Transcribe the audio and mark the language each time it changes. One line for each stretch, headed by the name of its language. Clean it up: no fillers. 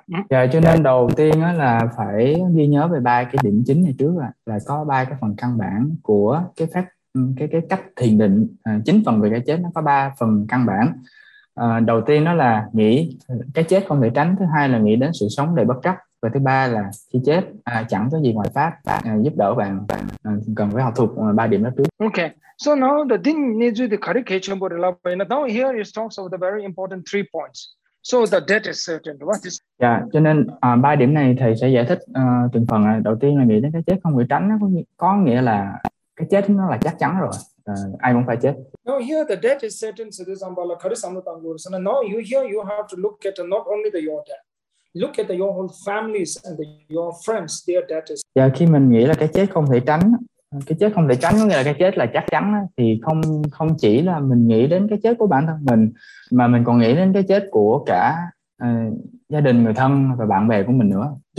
Vietnamese: Dạ, cho nên đầu tiên là phải ghi nhớ về ba cái điểm chính này trước, là có ba cái phần căn bản của cái cách thiền định chính phần về cái chết. Nó có ba phần căn bản. Đầu tiên đó là nghĩ cái chết không thể tránh, thứ hai là nghĩ đến sự sống đầy bất trắc, và thứ ba là khi chết chẳng có gì ngoài pháp giúp đỡ bạn cần phải học thuộc ba điểm đó trước.
English: Okay, so now the thing needs to clarify the love. Now here is talks of the very important three points. So the death is certain. What is?
Vietnamese: Yeah, cho nên ba điểm này thầy sẽ giải thích từng phần. Đầu tiên là nghĩ đến cái chết không thể tránh, có nghĩa là cái chết nó là chắc chắn rồi, ai cũng phải chết.
English: Now here the death is certain. So this umbrella carries some of the So now you here you have to look at not only the your death. Look at your whole families and your friends, their death is.
Vietnamese: Yeah, khi mình nghĩ là cái chết không thể tránh có nghĩa là cái chết là chắc chắn, thì không chỉ là mình nghĩ đến cái chết của bản thân mình, mà mình còn nghĩ đến cái chết của cả gia đình, người thân và bạn bè của mình nữa.